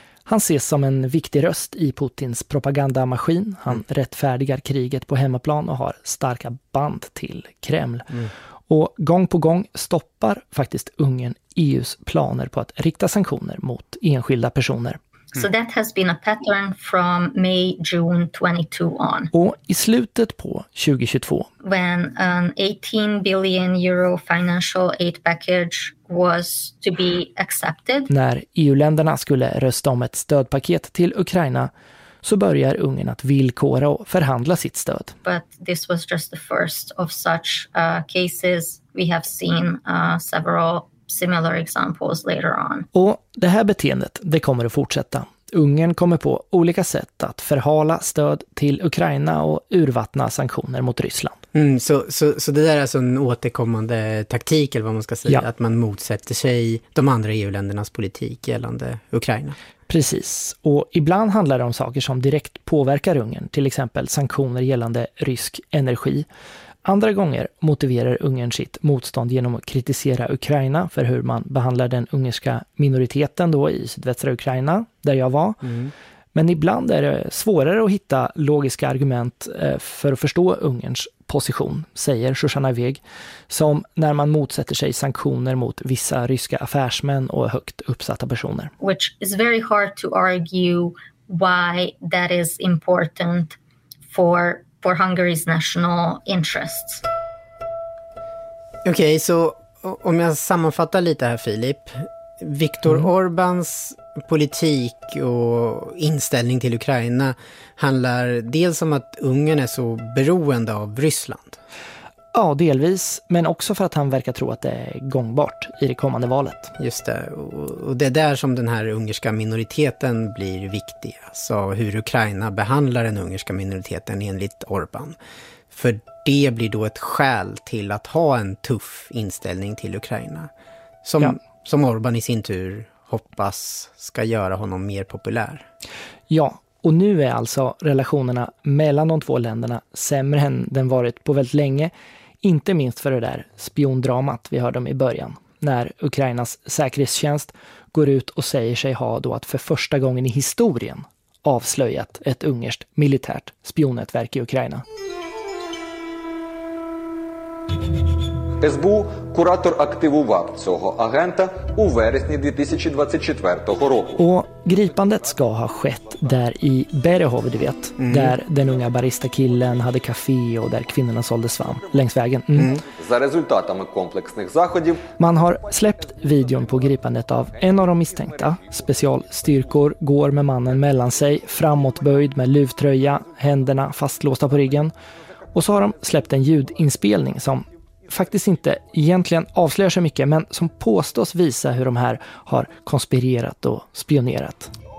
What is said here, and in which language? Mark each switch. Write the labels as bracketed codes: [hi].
[sv] Han ses som en viktig röst i Putins propagandamaskin. Han rättfärdigar kriget på hemmaplan och har starka band till Kreml. Mm. Och gång på gång stoppar faktiskt Ungern EUs planer på att rikta sanktioner mot enskilda personer. [en] So that has been a pattern from May, June 22 on. [sv] Och i slutet på 2022. [en] When an 18 billion euro financial aid package was to be accepted. [sv] När EU-länderna skulle rösta om ett stödpaket till Ukraina så börjar Ungern att villkora och förhandla sitt stöd. [en] But this was just the first of such cases. We have seen several similar examples later on. [sv] Och det här beteendet, det kommer att fortsätta. Ungern kommer på olika sätt att förhala stöd till Ukraina och urvattna sanktioner mot Ryssland. Så det där är alltså en återkommande taktik, eller vad man ska säga, ja. Att man motsätter sig de andra EU-ländernas politik gällande Ukraina. Precis, och ibland handlar det om saker som direkt påverkar Ungern, till exempel sanktioner gällande rysk energi. Andra gånger motiverar Ungern sitt motstånd genom att kritisera Ukraina för hur man behandlar den ungerska minoriteten då i sydvästra Ukraina, där jag var. Mm. Men ibland är det svårare att hitta logiska argument för att förstå Ungerns position, säger Shoshana Weg, som när man motsätter sig sanktioner mot vissa ryska affärsmän och högt uppsatta personer. [en] Which is very hard to argue why that is important for Hungary's national interests. [sv] Okej, okay, så om jag sammanfattar lite här, Filip. Viktor Orbáns politik och inställning till Ukraina handlar dels om att Ungern är så beroende av Ryssland. Ja, delvis. Men också för att han verkar tro att det är gångbart i det kommande valet. Just det. Och det är där som den här ungerska minoriteten blir viktig. Alltså hur Ukraina behandlar den ungerska minoriteten enligt Orbán. För det blir då ett skäl till att ha en tuff inställning till Ukraina. Som, ja. Som Orbán i sin tur hoppas ska göra honom mer populär. Ja, och nu är alltså relationerna mellan de två länderna sämre än den varit på väldigt länge. Inte minst för det där spiondramat vi hörde om i början. När Ukrainas säkerhetstjänst går ut och säger sig ha då att för första gången i historien avslöjat ett ungerskt militärt spionnätverk i Ukraina. [uk] СБУ куратор активував цього агента у вересні 2024 року. [sv] Och gripandet ska ha skett där i Berehov, du vet. Mm. Där den unga baristakillen hade kafé och där kvinnorna sålde svamp längs vägen. Mm. [uk] За результатами комплексних заходів. [sv] Man har släppt videon på gripandet av en av de misstänkta. Specialstyrkor går med mannen mellan sig, framåtböjd med luvtröja, händerna fastlåsta på ryggen. Och så har de släppt en ljudinspelning som faktiskt inte egentligen avslöjar så mycket, men som påstås visa hur de här har konspirerat och spionerat.